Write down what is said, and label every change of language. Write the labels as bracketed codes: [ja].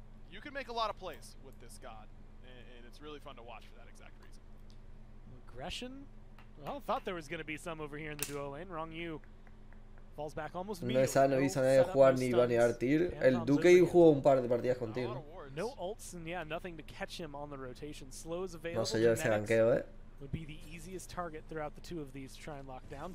[en] You can make a lot of plays with this god, and it's really fun to watch for that exact reason. Aggression? Well, I thought there was going to be some over here in the duo lane. Wrong you. Falls back almost immediately. [es] No esa no hizo jugar ni banear Tyr. El Duque jugó un par de partidas contigo. [en] No ults, and yeah, nothing to catch him on the rotation. Slow is available. [es] No sé yo ese gankeo, eh. [en] Would be the easiest target throughout the two of these to try and lock down.